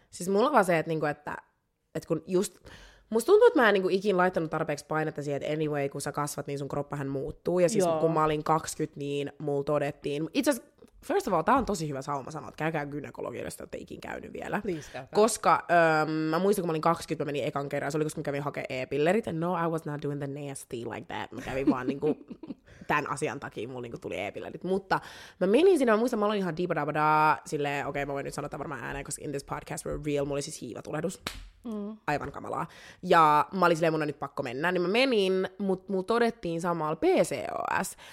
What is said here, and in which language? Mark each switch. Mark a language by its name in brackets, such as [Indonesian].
[Finnish] Siis mulla on vaan se, että kun just... Musta tuntuu, että mä en niin kuin ikin laittanut tarpeeksi painetta siihen, että anyway, kun sä kasvat, niin sun kroppahan muuttuu. Ja siis joo. Kun mä olin 20, niin mulla todettiin... Itse asiassa, [English] first of all, [Finnish] tää on tosi hyvä sauma sanoa, että käykää gynekologiin, jos te olette ikin käynyt vielä. [English] Please, [Finnish] koska mä muistin, kun mä olin 20, mä menin ekan kerran. Se oli, koska mä kävin hakemaan e-pillerit. [English] And no, I was not doing the nasty like that. [Finnish] Mä kävin vaan niin kuin, tämän asian takia mulla niin kuin tuli e-pillerit. Mutta mä menin sinne, mä muistan, mä olin ihan diba-daba-da. Silleen, okei, mä voin nyt sanoa tämän varmaan ääneen, koska [English] in this podcast we're real. [Finnish] Mulla oli siis hiivatulehdus. Mm. Aivan kamalaa. Ja mä olin silleen, mun on nyt pakko mennä. Niin mä menin, mut mulla todettiin samalla PCOS.